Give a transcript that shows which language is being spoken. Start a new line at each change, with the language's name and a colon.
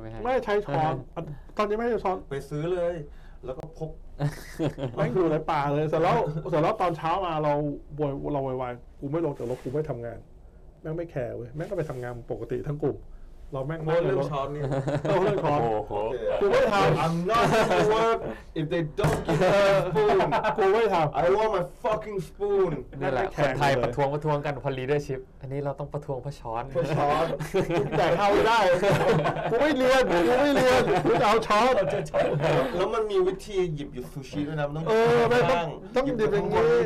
Thai: ไม่ให้ใช้ช้อนตอนนี้ไม่ให้ช้อน ไปซื้อเลยแล้วก็พก แม่งอยู่ในป่าเลยเสร็จแล้วตอนเช้ามาเราวายๆกูไม่ลงจากรถกูไม่ทำงานแม่งไม่แคร์เว้ยแม่งก็ไปทำงานปกติทั้งกลุ่มเราแม่ง เรื่องช้อนนี่เรื่องช้อนกูไม่ทำ
English: I'm not gonna work if they don't give me a spoon
Thai: กูไม่ทำ
English: I want my fucking spoon
Thai: นี่แหละคนไทยประท้วงกันพอ leadership อันนี้เราต้องประท้วงเพราะช้อน เพราะช้อนแต่เขาได้กูไม่เรียนกูไม่เรียนกูจะเอาช้อน แล้วมันมีวิธีหยิบอยู่ซูชิด้วยนะต้อง หยิบอย่างนี้